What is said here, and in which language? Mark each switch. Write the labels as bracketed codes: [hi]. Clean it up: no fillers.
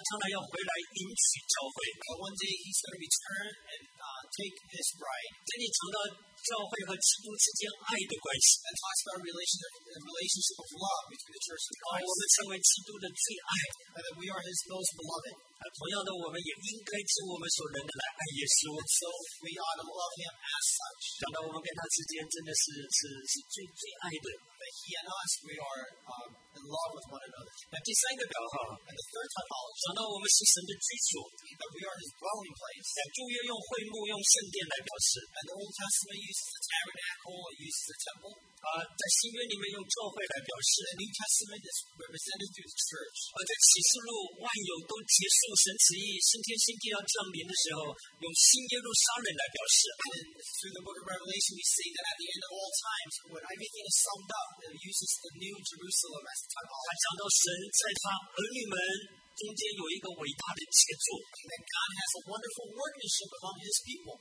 [en] One day he's going to return and take his bride. [zh] 教会和基督之间爱的关系, [en] and talks about relationship of love between the church and Christ. [zh] 我们成为基督的最爱, [en] and that we are his most beloved. [zh] 同样的我们也应该做我们所能的来爱耶稣, [en] and so we ought to love him as such. [zh] 讲到我们跟他之间真的是最爱的, [en] that he and us, we are in love with one another. [zh] 第三个表号, [en] and the third typology, [zh] 讲到我们是神的居所, [en] that we are his dwelling place. [zh] 旧约用会幕, [en] and the Old Testament uses the tabernacle, it uses the temple. [zh] 在新约里面用教会来表示, [en] the New Testament is represented through the church. [zh] 在启示录万有都结束神旨意新天新地要降临的时候, 用新耶路撒冷来表示, [en] and through the book of Revelation we see that at the end of all times when everything is summed up, it uses the New Jerusalem as the title. [zh] 还讲到神在他儿女们, [en] that God has a wonderful workmanship among his people.